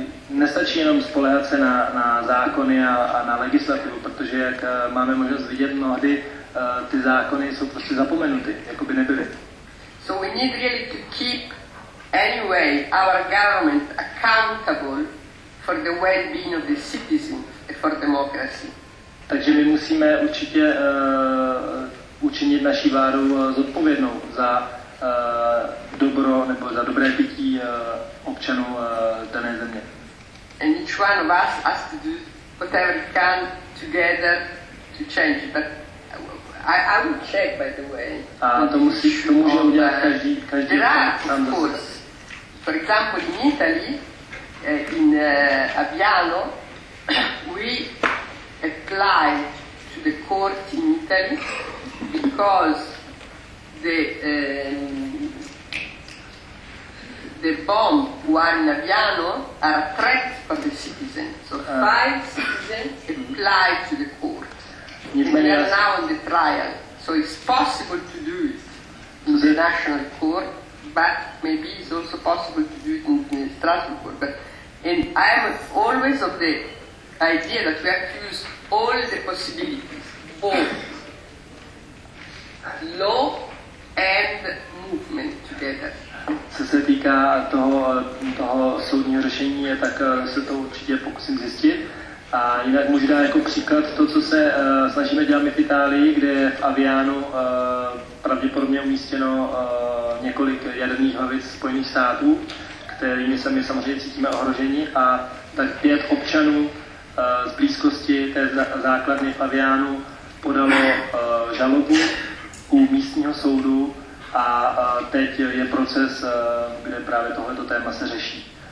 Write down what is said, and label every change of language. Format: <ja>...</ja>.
<cs>Nestačí jenom spoléhat se na zákony a na legislativu, protože jak máme možnost vidět mnohdy, ty zákony jsou prostě zapomenuty, jako by nebyly.</cs> <en>So we need really to keep anyway our government accountable for the well-being of the citizens and for democracy.</en> <cs>Takže my musíme určitě učinit naši vládu zodpovědnou za dobro nebo za dobré bytí občanů dané země.</cs> <en>And each one of us has to do whatever we can together to change. But I will check, by the way.</en> <cs>A to musí, to může udělat každý sám za sebe.</cs> <en>For example, in Italy, in Aviano, we apply to the court in Italy because the bomb one in Aviano are a threat for the citizens. So five citizens apply to the court. And we are now on the trial. So it's possible to do it in the national court, but maybe it's also possible to do it in the Strasbourg court. But and I'm always of the idea that we have to use all the possibilities, both law and movement together.</en> <cs>Co se týká toho soudního řešení, tak se to určitě pokusím zjistit. A jinak můžu dát jako příklad to, co se snažíme dělat my v Itálii, kde je v Avianu pravděpodobně umístěno několik jaderných hlavic Spojených států, kterými se my samozřejmě cítíme ohroženi, a tak pět občanů z blízkosti té základny v Avianu podalo žalobu u místního soudu a teď je proces, kde právě tohleto téma se řeší.</cs>